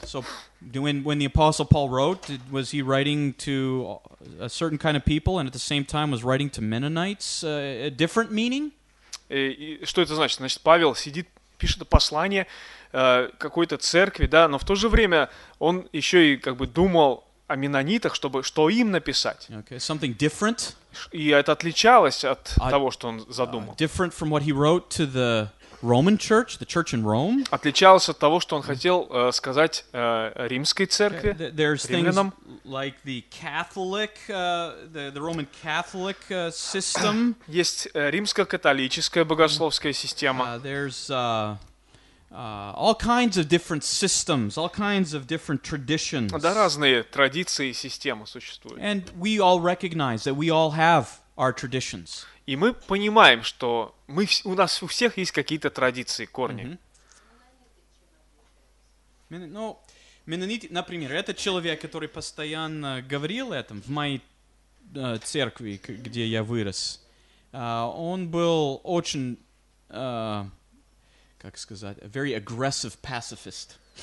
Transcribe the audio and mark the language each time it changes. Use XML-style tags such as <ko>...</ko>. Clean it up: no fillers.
<en>So, when the Apostle Paul wrote, was he writing to a certain kind of people, and at the same time was writing to Mennonites? A different meaning?</en> <ru>Что это значит? Значит, Павел сидит, пишет послание какой-то церкви, да, но в то же время он еще и как бы думал о меннонитах, чтобы что им написать.</ru> <en>Okay, something different.</en> <ru>И это отличалось от того, что он задумал.</ru> <en>Different from what he wrote to the Roman Church, the Church in Rome.</en> <ru>Отличалось от того, что он хотел сказать римской церкви.</ru> <en>There's things like the Catholic, the Roman Catholic system.</en> <ru>Есть римско-католическая богословская система.</ru> <en>There's all kinds of different systems, all kinds of different traditions.</en> <ru>Да, разные традиции и системы существуют.</ru> <en>And we all recognize that we all have our traditions.</en> <ru>И мы понимаем, что мы, у нас у всех есть какие-то традиции, корни. Mm-hmm. Ну, меннонит, например, это человек, который постоянно говорил о этом в моей церкви, где я вырос. Он был очень, как сказать,</ru> <en>a very aggressive pacifist.</en>